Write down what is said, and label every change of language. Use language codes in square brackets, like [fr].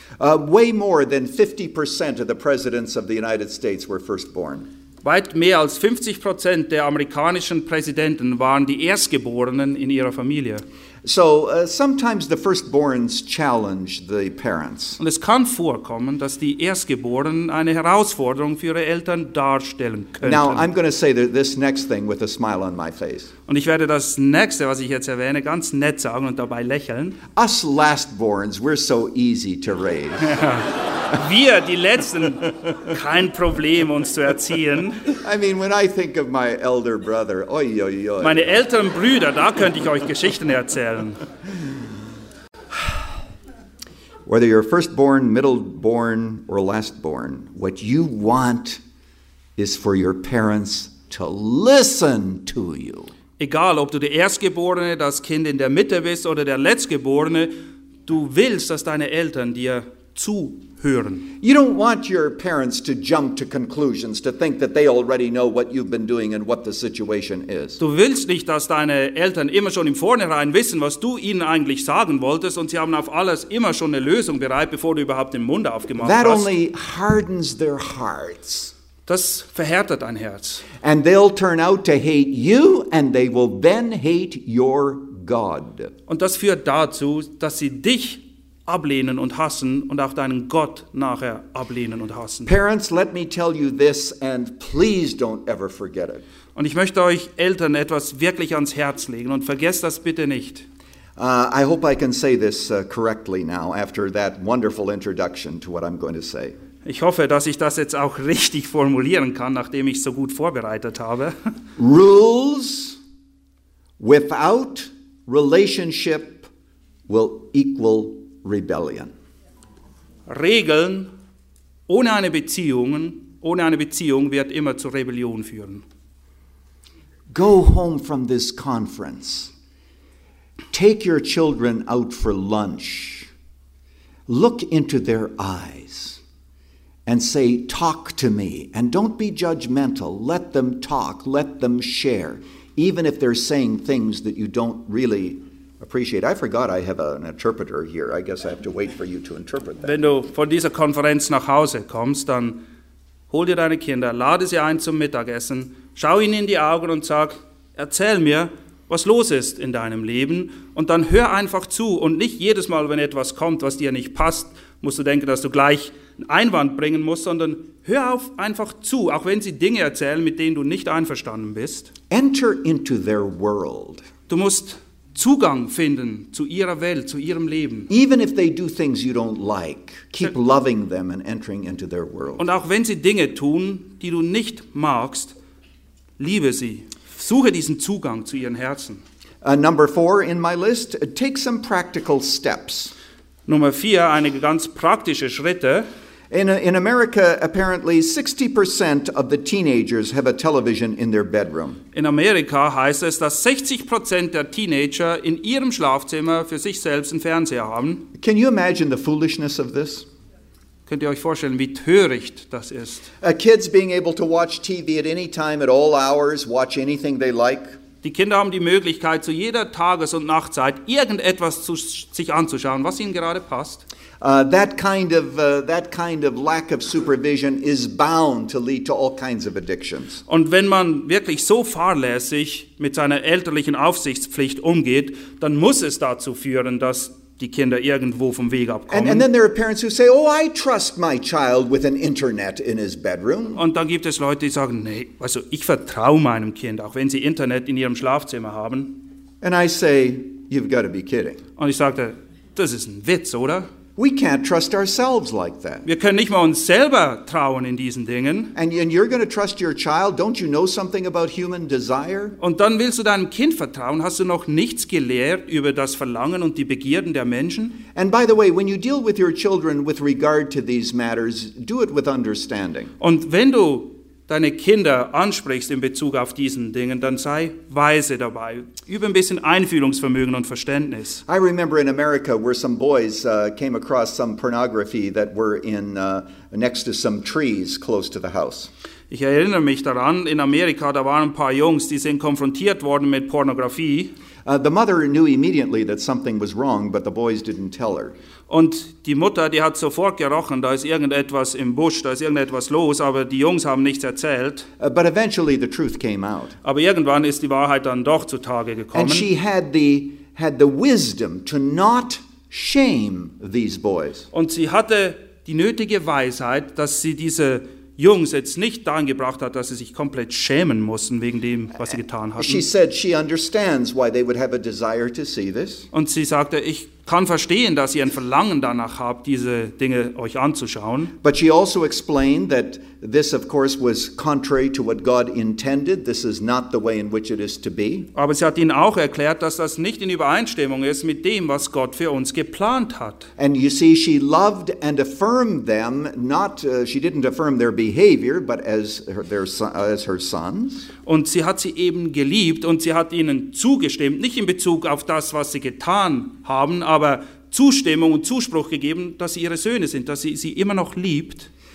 [en] Way more than 50% of the presidents of the United States were firstborn. [de] Weit mehr als 50% der amerikanischen Präsidenten waren die Erstgeborenen in ihrer Familie. [en] So sometimes the firstborns challenge the parents. [de] Und es kann vorkommen, dass die Erstgeborenen eine Herausforderung für ihre Eltern darstellen könnten. [en] Now I'm going to say that this next thing with a smile on my face. [de] Und ich werde das nächste, was ich jetzt erwähne, ganz nett sagen und dabei lächeln. [en] Us lastborns, we're so easy to raise. [de] Wir, die Letzten, kein Problem, uns zu erziehen. [en] I mean, when I think of my elder brother, oi, oi, oi. [de] Meine älteren Brüder, da könnte ich euch Geschichten erzählen. [en] Whether you're firstborn, middleborn or lastborn, what you want is for your parents to listen to you. [de] Egal, ob du der Erstgeborene, das Kind in der Mitte bist oder der Letztgeborene, du willst, dass deine Eltern dir zuhören. [en] You don't want your parents to jump to conclusions, to think that they already know what you've been doing and what the situation is. [de] Du willst nicht, dass deine Eltern immer schon im Vornherein wissen, was du ihnen eigentlich sagen wolltest, und sie haben auf alles immer schon eine Lösung bereit, bevor du überhaupt den Mund aufgemacht [en] that [de] hast. [en] That only hardens their hearts. [de] Das verhärtet dein Herz. [en] And they'll turn out to hate you, and they will then hate your God. [de] Und das führt dazu, dass sie dich ablehnen und hassen und auch deinen Gott nachher ablehnen und hassen. [en] Parents, let me tell you this, and please don't ever forget it. [de] Und ich möchte euch Eltern etwas wirklich ans Herz legen, und vergesst das bitte nicht. [en] I hope I can say this correctly now after that wonderful introduction to what I'm going to say. [de] Ich hoffe, dass ich das jetzt auch richtig formulieren kann, nachdem ich so gut vorbereitet habe. [en] Rules without relationship will equal rebellion. [de] Regeln ohne eine Beziehung wird immer zu Rebellion führen. [en] Go home from this conference. Take your children out for lunch. Look into their eyes and say, talk to me. And don't be judgmental. Let them talk. Let them share. Even if they're saying things that you don't really appreciate. I forgot I have an interpreter here. I guess I have to wait for you to interpret that. [de] Wenn du von dieser Konferenz nach Hause kommst, dann hol dir deine Kinder, lade sie ein zum Mittagessen, schau ihnen in die Augen und sag, erzähl mir, was los ist in deinem Leben. Und dann hör einfach zu. Und nicht jedes Mal, wenn etwas kommt, was dir nicht passt, musst du denken, dass du gleich Einwand bringen muss, sondern hör auf einfach zu, auch wenn sie Dinge erzählen, mit denen du nicht einverstanden bist. [en] Enter into their world. [de] Du musst Zugang finden zu ihrer Welt, zu ihrem Leben. [en] Even if they do things you don't like, keep loving them and entering into their world. [de] Und auch wenn sie Dinge tun, die du nicht magst, liebe sie. Suche diesen Zugang zu ihren Herzen. [en] Number four in my list, take some practical steps. [de] Nummer vier, einige ganz praktische Schritte. [en] In America, apparently 60% of the teenagers have a television in their bedroom. [de] In Amerika heißt es, dass 60% der Teenager in ihrem Schlafzimmer für sich selbst einen Fernseher haben. [en] Can you imagine the foolishness of this? [de] Könnt ihr euch vorstellen, wie töricht das ist? [en] Kids being able to watch TV at any time, at all hours, watch anything they like. [de] Die Kinder haben die Möglichkeit, zu jeder Tages- und Nachtzeit irgendetwas zu sich anzuschauen, was ihnen gerade passt. [en] That kind of lack of supervision is bound to lead to all kinds of addictions. [de] Und wenn man wirklich so fahrlässig mit seiner elterlichen Aufsichtspflicht umgeht, dann muss es dazu führen, dass die Kinder irgendwo vom Weg abkommen. [en] And then there are parents who say, "Oh, I trust my child with an internet in his bedroom." [de] Und dann gibt es Leute, die sagen, nee, also ich vertraue meinem Kind, auch wenn sie Internet in ihrem Schlafzimmer haben. [en] And I say, "You've got to be kidding." [de] Und ich sagte, das ist ein Witz, oder? [en] We can't trust ourselves like that. [de] Wir können nicht mal uns selber trauen in diesen Dingen. [en] And you're going to trust your child? Don't you know something about human desire? [de] Und dann willst du deinem Kind vertrauen? Hast du noch nichts gelehrt über das Verlangen und die Begierden der Menschen? [en] And by the way, when you deal with your children with regard to these matters, do it with understanding. [de] Und wenn du deine Kinder ansprichst in Bezug auf diesen Dingen, dann sei weise dabei. Übe ein bisschen Einfühlungsvermögen und Verständnis. [en] I remember in America where some boys came across some pornography that were in next to some trees close to the house. [de] Ich erinnere mich daran, in Amerika, da waren ein paar Jungs, die sind konfrontiert worden mit Pornografie. [en] The mother knew immediately that something was wrong, but the boys didn't tell her. [de] Und die Mutter, die hat sofort gerochen, da ist irgendetwas im Busch, da ist irgendetwas los, aber die Jungs haben nichts erzählt. [en] But eventually the truth came out. [de] Aber irgendwann ist die Wahrheit dann doch zutage gekommen. [en] And she had the wisdom to not shame these boys. [de] Und sie hatte die nötige Weisheit, dass sie diese Jungs jetzt nicht dahin gebracht hat, dass sie sich komplett schämen mussten wegen dem, was sie getan hatten. [en] She said she understands why they would have a desire to see this. [de] Und sie sagte, ich kann verstehen, dass ihr ein Verlangen danach habt, diese Dinge euch anzuschauen. [en] But she also explained that this of course was contrary to what God intended. This is not the way in which it is to be. [de] Aber sie hat ihnen auch erklärt, dass das nicht in Übereinstimmung ist mit dem, was Gott für uns geplant hat. [en] And you see, she loved and affirmed them, not she didn't affirm their behavior, but as her sons. [de] Und sie hat sie eben geliebt und sie hat ihnen zugestimmt, nicht in Bezug auf das, was sie getan haben, aber Zustimmung und Zuspruch gegeben, dass sie ihre Söhne sind, dass sie sie immer noch liebt.